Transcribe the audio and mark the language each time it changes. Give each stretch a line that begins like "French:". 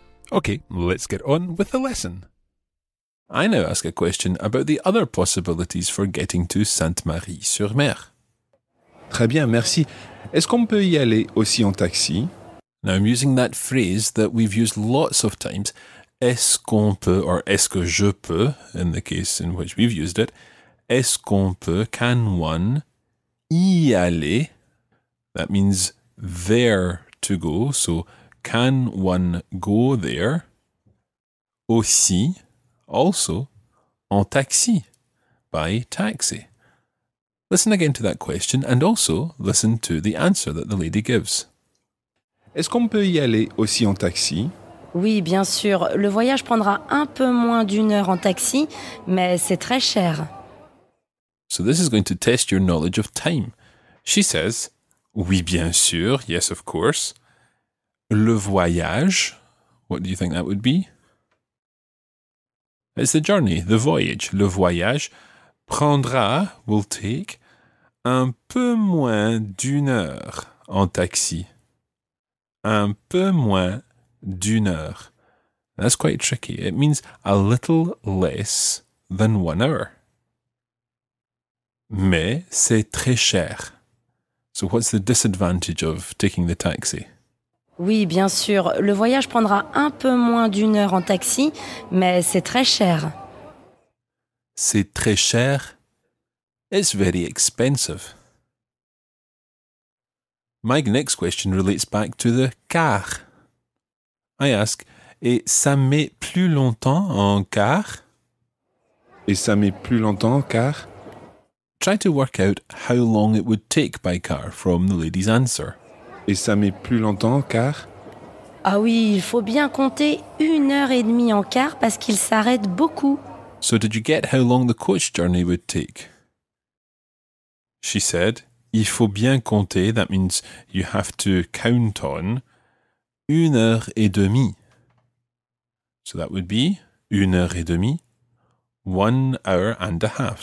English: Okay, let's get on with the lesson. I now ask a question about the other possibilities for getting to Sainte-Marie-sur-Mer.
French: Très bien, merci. Est-ce qu'on peut y aller aussi en taxi?
English: Now I'm using that phrase that we've used lots of times,
French: est-ce qu'on peut,
English: or
French: est-ce que je peux,
English: in the case in which we've used it, est-ce qu'on peut, can one,
French: y aller,
English: that means there to go, so can one go there? Aussi, also, en taxi, by taxi. Listen again to that question and also listen to the answer that the lady gives.
French: Est-ce qu'on peut y aller aussi en taxi? Oui, bien sûr. Le voyage prendra un peu moins d'une heure en taxi, mais c'est très cher.
English: So this is going to test your knowledge of time. She says,
French: oui, bien sûr,
English: yes, of course.
French: Le voyage,
English: what do you think that would be? It's the journey, the voyage.
French: Le voyage prendra,
English: will take,
French: un peu moins d'une heure en taxi. Un peu moins d'une heure.
English: That's quite tricky. It means a little less than 1 hour.
French: Mais c'est très cher.
English: So what's the disadvantage of taking the taxi?
French: Oui, bien sûr. Le voyage prendra un peu moins d'une heure en taxi, mais c'est très cher. C'est très cher.
English: It's very expensive. My next question relates back to the car. I ask,
French: et ça met plus longtemps en car? Et ça met plus longtemps en car?
English: Try to work out how long it would take by car from the lady's answer.
French: Et ça met plus longtemps en car? Ah oui, il faut bien compter 1h30 en car parce qu'il s'arrête beaucoup.
English: So did you get how long the coach journey would take? She said,
French: il faut bien compter,
English: that means you have to count on, 1h30. So that would be 1h30, 1 hour and a half.